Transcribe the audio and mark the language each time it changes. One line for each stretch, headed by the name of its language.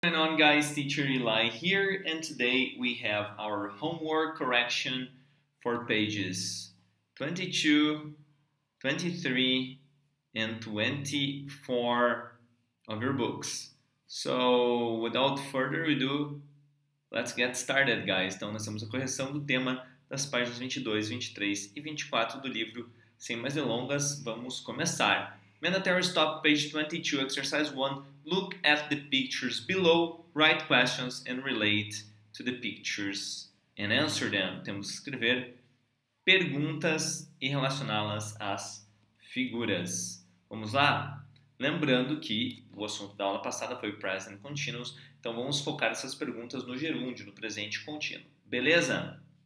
English: And on, guys, teacher Eli here, and today we have our homework correction for pages 22, 23, and 24 of your books. So, without further ado, let's get started, guys.
Portuguese: Então, nós temos a correção do tema das páginas 22, 23 e 24 do livro. Sem mais delongas, vamos começar.
English: Mandatory stop, page 22, exercise 1. Look at the pictures below, write questions and relate to the pictures and answer them.
Portuguese: Temos que escrever perguntas e relacioná-las às figuras. Vamos lá? Lembrando que o assunto da aula passada foi present continuous, então vamos focar essas perguntas no gerúndio, no presente contínuo. Beleza?